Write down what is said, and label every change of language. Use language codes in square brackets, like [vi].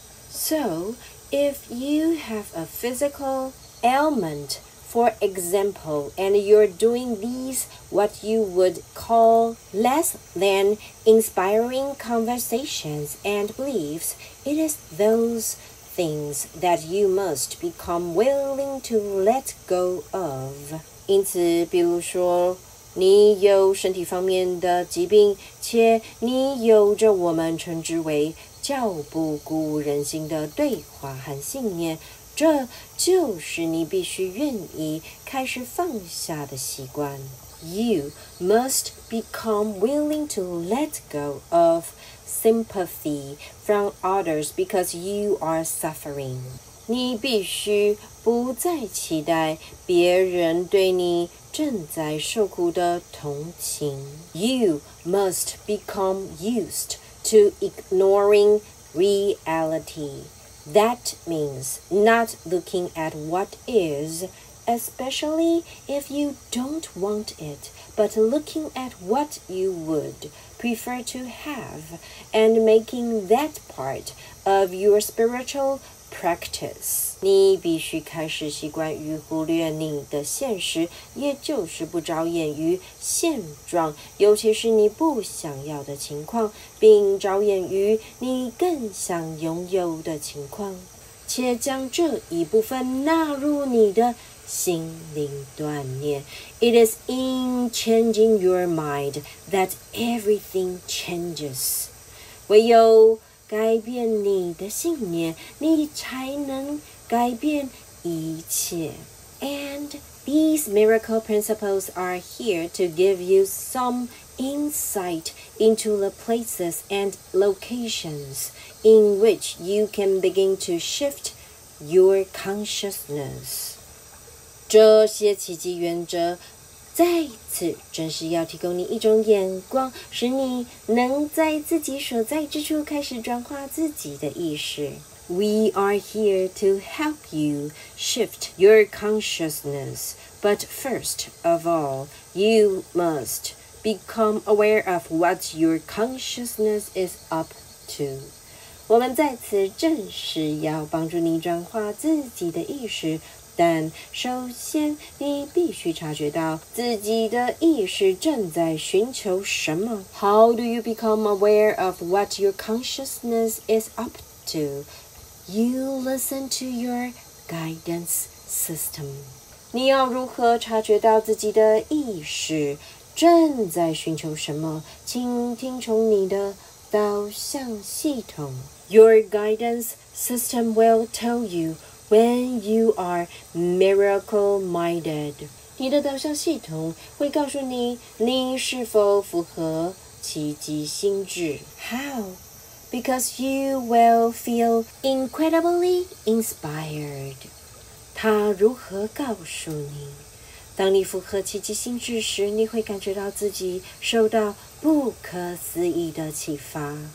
[en] So, if you have a physical ailment,For example, and you're doing these what you would call less than inspiring conversations and beliefs, it is those things that you must become willing to let go of. [zh] 因此，比如说，你有身体方面的疾病，且你有着我们称之为较不鼓舞人心的对话和信念。这就是你必须愿意开始放下的习惯。 [en] You must become willing to let go of sympathy from others because you are suffering. [zh] 你必须不再期待别人对你正在受苦的同情。 [en] You must become used to ignoring reality. That means not looking at what is, especially if you don't want it, but looking at what you would prefer to have and making that part of your spiritual practice. [zh] 你必须开始习惯于忽略你的现实，也就是不着眼于现状，尤其是你不想要的情况，并着眼于你更想拥有的情况，且将这一部分纳入你的心灵锻炼。 [en] It is in changing your mind that everything changes. [zh] 唯有改变你的信念，你才能改变一切。 [en] And these miracle principles are here to give you some insight into the places and locations in which you can begin to shift your consciousness. [zh] 这些奇迹原则再次正是要提供你一种眼光，使你能在自己所在之处开始转化自己的意识。 [en] We are here to help you shift your consciousness, but first of all, you must become aware of what your consciousness is up to. [zh] 我们在此正是要帮助你转化自己的意识，但首先你必须察觉到自己的意识正在寻求什么。 [en] How do you become aware of what your consciousness is up to? You listen to your guidance system. [zh] 你要如何察觉到自己的意识正在寻求什么？请听从你的导向系统。 [en] Your guidance system will tell you when you are miracle-minded. [zh] 你的导向系统会告诉你你是否符合奇迹心智。 [en] How? Because you will feel incredibly inspired. [zh] 它如何告诉你？当你符合奇迹心智时，你会感觉到自己受到不可思议的启发。